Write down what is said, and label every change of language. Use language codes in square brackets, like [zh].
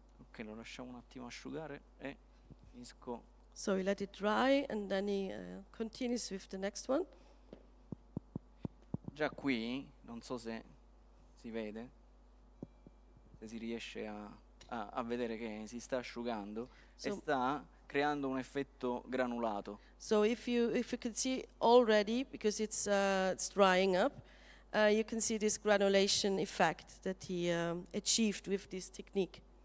[it] Che lo lasciamo un attimo asciugare e finisco. [en] So he let it dry and then he continues with the next one. [it] Già qui, non so se si vede, se si riesce a vedere che si sta asciugando, so e sta creando un effetto granulato. [en] So if you can see already, because it's drying up, you can see this granulation effect that he achieved with this technique.